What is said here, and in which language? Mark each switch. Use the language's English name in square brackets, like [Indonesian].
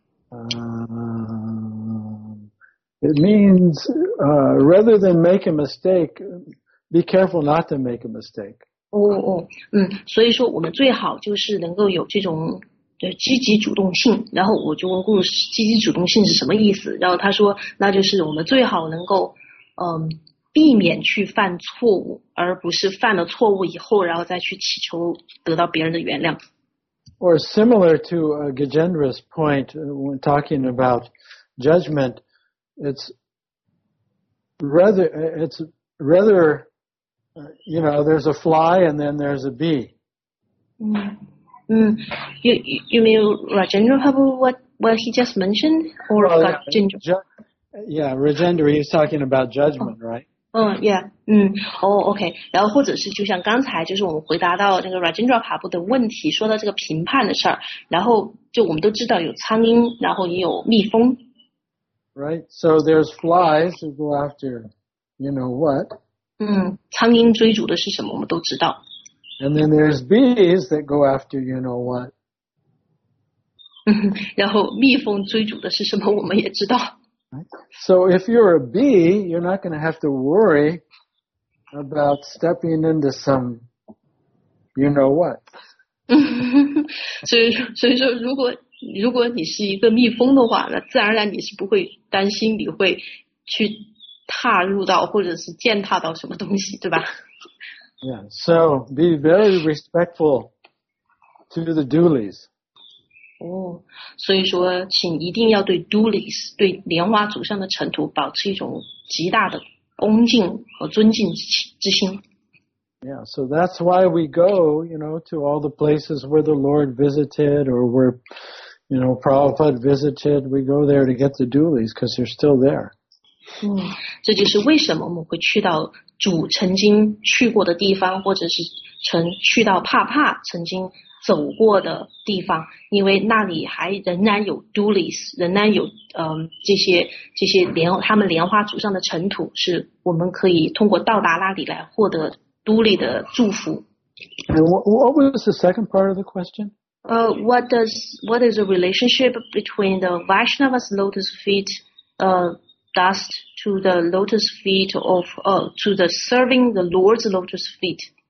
[English] It means, rather than make a mistake, be careful not to make a mistake. [Chinese] 所以说我们最好就是能够有这种积极主动性，然后我就问积极主动性是什么意思，然后他说那就是我们最好能够避免去犯错误，而不是犯了错误以后然后再去祈求得到别人的原谅。 [English] Or similar to Gajendra's point when talking about judgment, it's rather, you know, there's a fly and then there's a bee. You mean Rajendra, what he just mentioned? Or Rajendra, he's talking about judgment, right? Okay. [Chinese] 然后或者是就像刚才就是我们回答到那个 Rajendra Prabhu 的问题，说到这个评判的事儿，然后就我们都知道有苍蝇，然后也有蜜蜂。 [English] Right. So there's flies who go after, you know what? [Chinese] 苍蝇追逐的是什么？我们都知道。 [English] And then there's bees that go after, you know what? [Chinese] 然后蜜蜂追逐的是什么？我们也知道。 [English] So if you're a bee, you're not going to have to worry about stepping into some, you know what. [Chinese] 所以说如果你是一个蜜蜂的话，那自然而然你是不会担心你会去踏入到或者是践踏到什么东西，对吧？ [English] Yeah, so be very respectful to the dulies. [Chinese] 所以说请一定要对 dulies, 对莲花祖上的尘土保持一种极大的恭敬和尊敬之心。 [English] Yeah, so that's why we go, you know, to all the places where the Lord visited or where, you know, Prabhupada visited, we go there to get the dulies because they're still there. [Chinese] 这就是为什么我们会去到主曾经去过的地方，或者是去到帕帕曾经走过的地方，因为那里还仍然有 dulies, 仍然有这些莲他们莲花祖上的尘土，是我们可以通过到达那里来获得 duli 的祝福。 [English] What was the second part of the question? What is the relationship between the Vaishnava's lotus feet dust to the lotus feet of to the serving the Lord's lotus feet?